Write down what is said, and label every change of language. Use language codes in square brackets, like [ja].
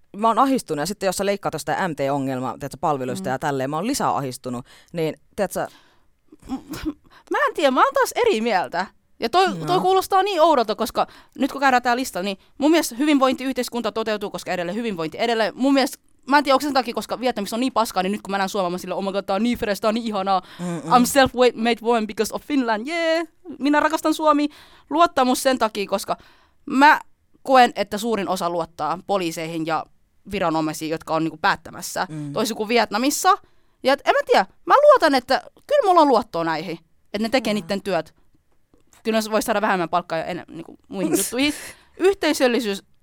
[fi] Mä oon ahistunut ja sitten jos sä leikkaat tästä MT-ongelmaa palveluista ja tälleen, mä oon lisää ahistunut, niin tiedätkö? Mä en tiedä, mä oon taas eri mieltä. Ja toi kuulostaa niin oudolta, koska nyt kun käydään tää lista, niin mun mielestä hyvinvointiyhteiskunta toteutuu, koska edelleen hyvinvointi edelleen. Mun mielestä, mä en tiedä, onko sen takia, koska Vietnamissa on niin paskaa, niin nyt kun mä näen Suomea, mä silleen, [en] oh my god, [fi] tää on niin fresh, tää on niin ihanaa. Mm-mm. [en] I'm self-made woman because of Finland, yeah. [fi] Minä rakastan Suomi. Luottamus sen takia, koska mä koen, että suurin osa luottaa poliiseihin ja viranomaisia, jotka on niinku päättämässä, toisin kuin Vietnamissa. Ja en mä tiedä, mä luotan, että kyllä mulla on luottoa näihin, että ne tekee niiden työt. Kyllä se voisi saada vähemmän palkkaa ja enemmän niinku muihin juttuihin. Yhteisöllisyys,